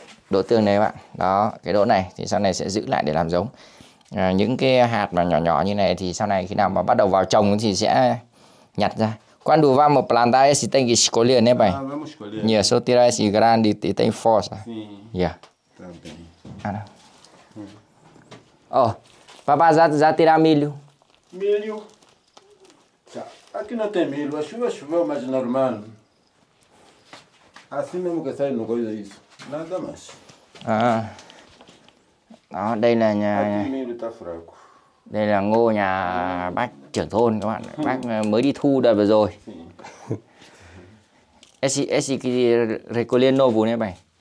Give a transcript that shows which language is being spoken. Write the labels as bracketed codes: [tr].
[vi] Đỗ tương này các bạn, đó, cái đỗ này thì sau này sẽ giữ lại để làm giống. Những cái hạt mà nhỏ nhỏ như này thì sau này khi nào mà bắt đầu vào trồng thì sẽ nhặt ra. [pt] Quando vamos plantar esse tem que escolher, né, pai? Vamos escolher. Yeah, só tirar esse grande e tem força. Sim. Yeah. Tá bem. Cara. Oh, papai já tirar milho. Milho? Tá. Aqui não tem milho, a chuva choveu, mas normal. Assim mesmo que sai no coisa isso. Nada mais. [vi] À. Đó, đây là nhà. Đây là ngô nhà bác trưởng thôn các bạn. Bác mới đi thu đợt vừa rồi. [pt] Esse que recolher novo, né, pai?